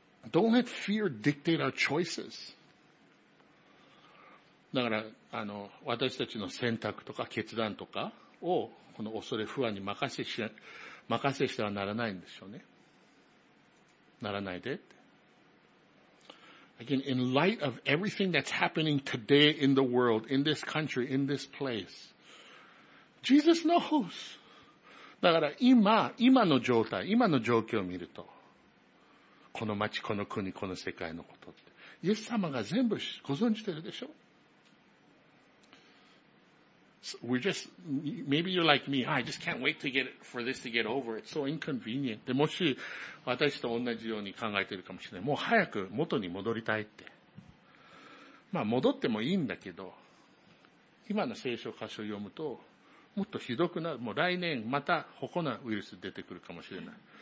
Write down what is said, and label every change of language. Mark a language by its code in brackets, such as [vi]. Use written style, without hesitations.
[en] Don't let fear dictate our choices. [ja] だから、私たちの選択とか決断とかを、この恐れ不安に任せしてはならないんでしょうね。ならないで。 [en] Again, in light of everything that's happening today in the world, in this country, in this place, Jesus knows. [ja] だから今の状況を見ると、この町、この国、この世界のことって。イエス様が全部ご存知てるでしょ、 [en] so、We're just, maybe you're like me, I just can't wait to get it, for this to get over. It's so inconvenient. [ja] で、もし私と同じように考えてるかもしれない。もう早く元に戻りたいって。まあ戻ってもいいんだけど、今の聖書箇所を読むと、もっとひどくなる。もう来年またほこなウイルス出てくるかもしれない。